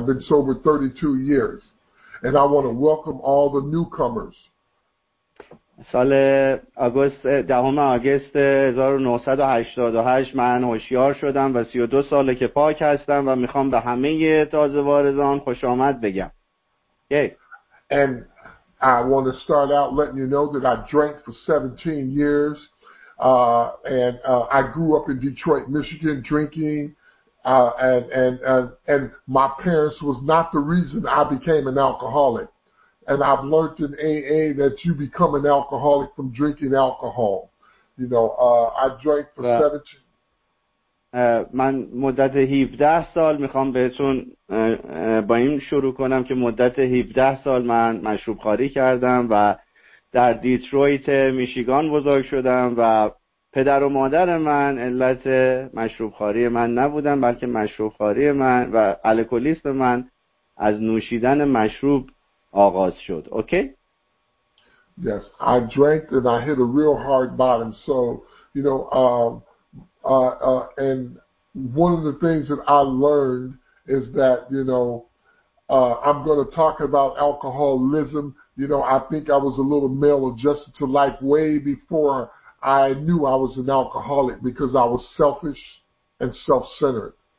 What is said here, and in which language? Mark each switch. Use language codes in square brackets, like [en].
[en] I've been sober 32 years and I want to welcome all the newcomers. [fa] سال آگوست 10 آگوست 1988 من هوشیار شدم و 32 ساله که پاک هستم و میخوام به همه تازه واردان خوش آمد بگم. [en] Okay. And I want to start out letting you know that I drank for 17 years and I grew up in Detroit, Michigan drinking and my parents was not the reason I became an alcoholic. And I've learned in AA that you become an alcoholic from drinking alcohol. You know, I drank for 17. [fa] من مدت 17 سال میخوام بهتون با این شروع کنم که مدت 17 سال من مشروب خوری کردم و در دیترویت میشیگان بزرگ شدم و پدر و مادر من علت مشروب خوری من نبودن، بلکه مشروب خوری من و الکلیسم من از نوشیدن مشروب آغاز شد. [en] اوکی؟ Yes, I drank and I hit a real hard bottom. So, you know, and one of the things that I learned is that, you know, I'm going to talk about alcoholism. You know, I think I was a little male adjusted to life way before I knew I was an alcoholic because I was selfish and self-centered.